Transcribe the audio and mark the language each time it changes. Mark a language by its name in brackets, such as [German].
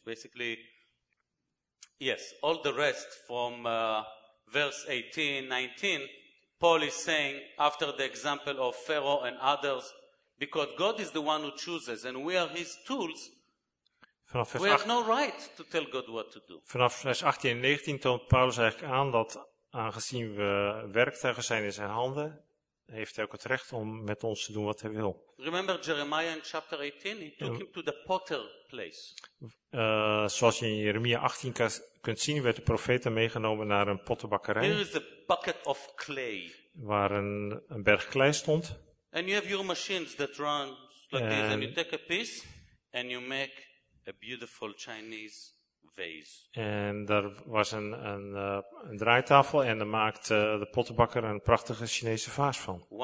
[English] Basically, yes, all the rest from verse 18, 19, Paul is saying, after the example of Pharaoh and others, because God is the one who chooses and we are his tools, we have no right to tell God what to do. [Dutch] Vanaf vers 18 en 19 toont Paulus eigenlijk aan dat aangezien we werktuigen zijn in zijn handen, heeft hij ook het recht om met ons te doen wat hij wil. [English] Remember Jeremiah in chapter 18? He took him to the potter place. [Dutch] Zoals je in Jeremia 18 kunt zien, werd de profeet meegenomen naar een pottenbakkerij. [English] Here is a bucket of clay. [Dutch] Waar een berg klei stond. [English] And you have your machines that run like this. And you take a piece and you make a beautiful Chinese vase. [Dutch] En daar was een draaitafel en daar maakte de pottenbakker een prachtige Chinese vaas van.